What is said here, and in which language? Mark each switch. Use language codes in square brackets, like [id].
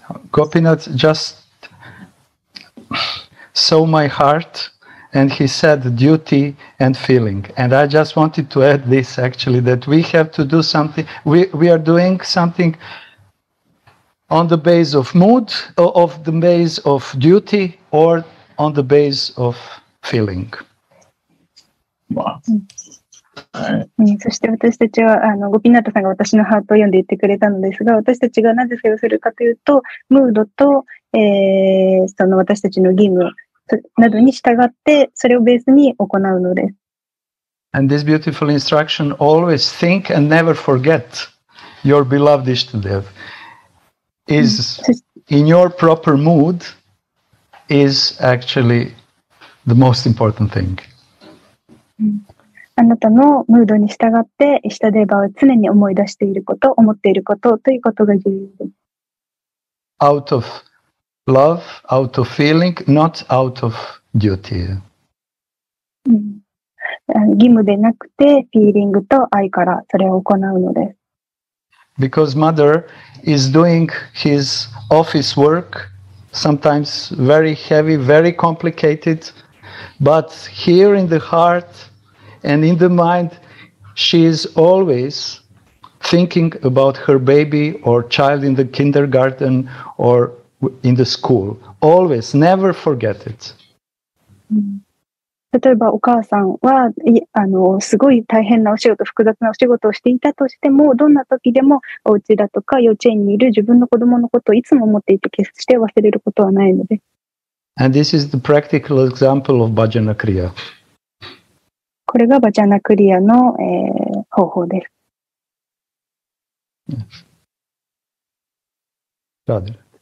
[en] Gopinath just saw my heart and he said duty and feeling. And I just wanted to add this actually, that we have to do something. We are doing something on the base of mood, of the base of duty, or on the base of feeling. [ja] うん、そして私たちはゴピナタさんが私のハートを読んで言ってくれたのですが、私たちがなぜそれをするかというと、ムードと、その私たちの義務などに従ってそれをベースに行うのです。 [en] And this beautiful instruction, always think and never forget your beloved Ishtadev is in your proper mood is actually the most important thing. [ja] あなたのムードに従ってイシュタデーバを常に思い出していること、思っていることということが重要です。 [en] Out of love, out of feeling, not out of duty.、 [ja] うん、義務でなくて、フィーリングと愛からそれを行うのです。 [en] Because mother is doing his office work, sometimes very heavy, very complicated. But here in the heart and in the mind, she is always thinking about her baby or child in the kindergarten or in the school. Always, never forget it. [ja] 例えばお母さんはすごい大変なお仕事、複雑なお仕事をしていたとしても、どんな時でもお家だとか幼稚園にいる自分の子供のことをいつも思っていて、決して忘れることはないので。 [en] And this is the practical example of Bhajana Kriya. [ja] これがバジャナクリアの、方法です。 [en] Yes. Radha.